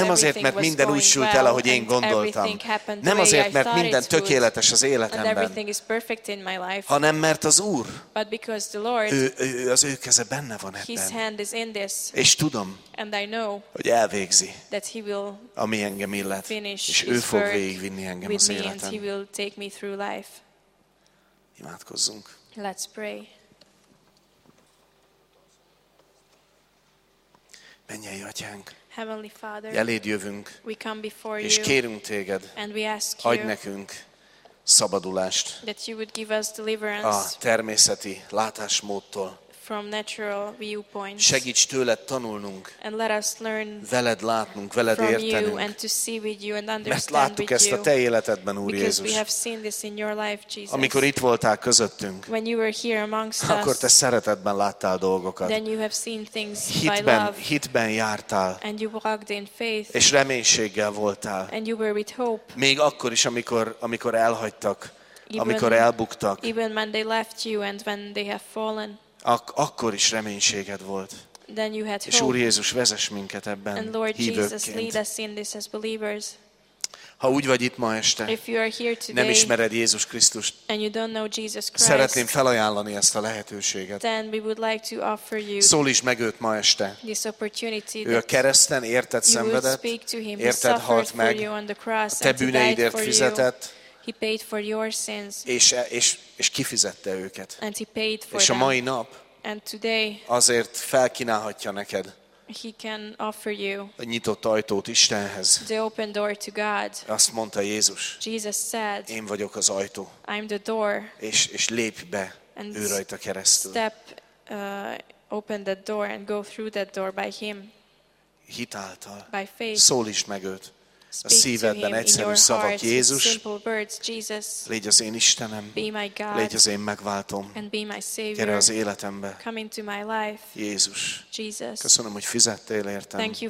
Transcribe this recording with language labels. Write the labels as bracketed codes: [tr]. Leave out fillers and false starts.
[hu] nem azért, mert minden úgy sült el, ahogy én gondoltam. Nem azért, mert minden tökéletes az életemben. [en] And everything is perfect in my life. [hu] Hanem mert az Úr. [en] But because the Lord. [hu] Ő az ő keze benne van ebben. [en] His hand is in this. [hu] És tudom. [en] And I know. [hu] Hogy elvégzi. [en] That he will. [hu] Ami engem illet. [en] Finish. [hu] És ő fog végigvinni engem. [en] With me, and he will take me through life. [hu] Imádkozzunk. [en] Let's pray. [hu] Mennyei Atyánk, [en] Heavenly Father, [hu] eléd jövünk, [en] we come before [hu] és kérünk téged, [en] and we ask you, [hu] adj nekünk szabadulást [en] that you would give us deliverance [hu] a természeti látásmódtól. [en] From natural viewpoints. [hu] Segíts tőled tanulnunk. [en] And let us learn [hu] veled látnunk, veled értenünk. [en] From you and to see with you and understand with you. [hu] Mert láttuk ezt a te életedben, Úr Jézus. [en] Because we have seen this in your life, Jesus. [hu] Amikor itt voltál közöttünk. [en] When you were here amongst us. [hu] Akkor te szeretetben láttál dolgokat. [en] Then you have seen things by love. [hu] Hitben jártál. [en] And you walked in faith. [hu] És reménységgel voltál. [en] And you were with hope. [hu] Még akkor is, amikor elhagytak, amikor elbuktak. [en] Even when they left you and when they have fallen. [hu] Akkor is reménységed volt. [en] Then you had hope. [hu] És Úr Jézus, vezess minket ebben [en] and Lord Jesus, lead us in this as believers. [hu] Ha úgy vagy itt ma este, [en] if you are here today, [hu] nem ismered Jézus Krisztust, [en] and you don't know Jesus Christ, [hu] szeretném felajánlani ezt a lehetőséget. [en] Then we would like to offer you, [hu] szólíts meg őt ma este. [en] This opportunity, [hu] ő a kereszten érted szenvedett, [en] speak to him, [hu] érted halt meg, [en] for you on the cross, [hu] a te bűneidért fizetett, [en] he paid for your sins. [hu] És kifizette őket. [en] And he paid for [hu] és [en] them. [hu] A mai nap [en] and today, [hu] azért felkínálhatja neked [en] he can offer you [hu] a nyitott ajtót Istenhez. [en] The open door to God. [hu] Azt mondta Jézus. [en] Jesus said, [hu] én vagyok az ajtó. [en] I'm the door. [hu] És lépj be [en] and [hu] ő rajta keresztül. [en] Step, open that door and go through that door by him. [hu] Hitáltal. [en] By faith. [hu] Szólítsd meg őt. A szívedben egyszerű szavak, Jézus, légy az én Istenem, légy az én megváltom, gyere az életembe. Jézus, köszönöm, hogy fizettél értem.